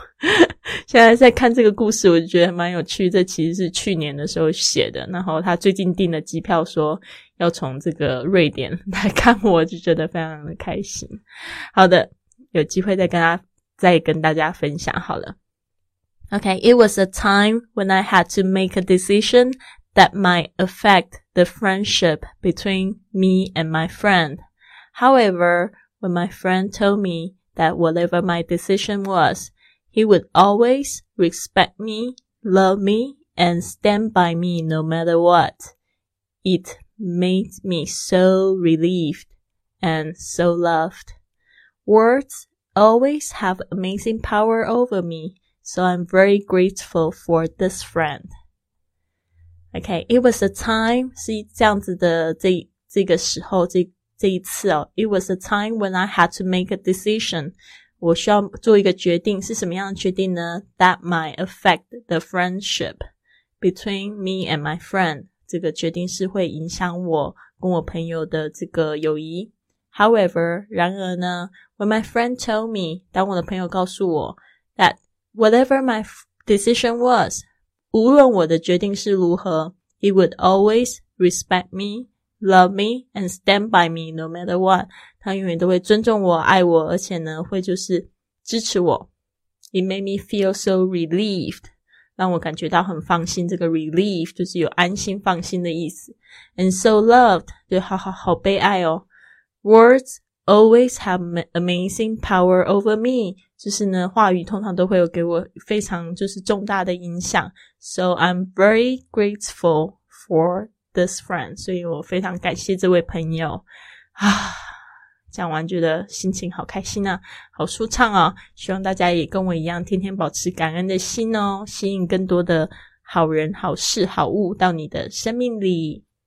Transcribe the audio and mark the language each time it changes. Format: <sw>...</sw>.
<zh>现在在看这个故事我就觉得蛮有趣，这其实是去年的时候写的，然后他最近订了机票说要从这个瑞典来看我，就觉得非常的开心。好的，有机会再跟大家分享好了。</zh> <en>OK, it was a time when I had to make a decision that might affect the friendship between me and my friend. However, when my friend told me that whatever my decision was,He would always respect me, love me, and stand by me no matter what. It made me so relieved and so loved. Words always have amazing power over me, so I'm very grateful for this friend. Okay, it was a time,</en> <zh>是这样子的这个时候这一次哦</zh> <en>It was a time when I had to make a decision.</en> <zh>我需要做一个决定，是什么样的决定呢？</zh> <en>That might affect the friendship between me and my friend.</en> <zh>这个决定是会影响我跟我朋友的这个友谊。</zh> <en>However,</en> <zh>然而呢，</zh> <en>when my friend told me,</en> <zh>当我的朋友告诉我，</zh> <en>that whatever my decision was,</en> <zh>无论我的决定是如何，</zh> <en>he would always respect me,Love me and stand by me no matter what.</en> <zh>他永远都会尊重我、爱我，而且呢，会就是支持我。</zh> <en>It made me feel so relieved.</en> <zh>让我感觉到很放心。这个 relieved 就是有安心、放心的意思。</zh> <en>And so loved</en> <zh>就好被爱哦。</zh> <en>Words always have amazing power over me.</en> <zh>就是呢，话语通常都会有给我非常就是重大的影响。</zh> <en>So I'm very grateful for. This friend,</en> <zh>所以我非常感谢这位朋友啊！讲完觉得心情好开心啊，好舒畅啊！希望大家也跟我一样，天天保持感恩的心哦，吸引更多的好人、好事、好物到你的生命里。</zh>